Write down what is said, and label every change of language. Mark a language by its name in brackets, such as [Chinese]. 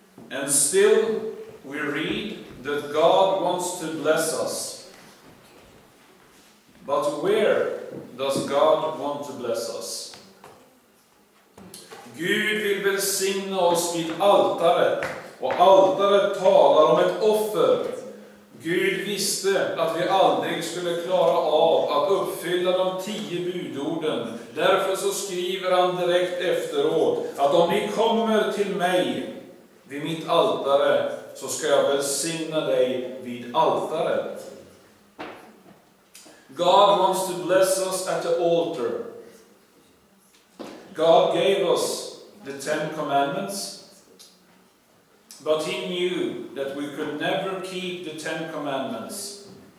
[English] And still we read that God wants to bless us. But where does God want to bless us? [Swedish] Gud vill välsigna oss vid altaret, och altaret talar om ett offer. Gud visste att vi aldrig skulle klara av att uppfylla de 10 budorden. Därför så skriver han direkt efteråt att om ni kommer till mig vid mitt altare, så ska jag välsigna dig vid altaret. [English] God wants to bless us at the altar. God gave us the 10 commandments. But he knew that we could never keep the 10 commandments.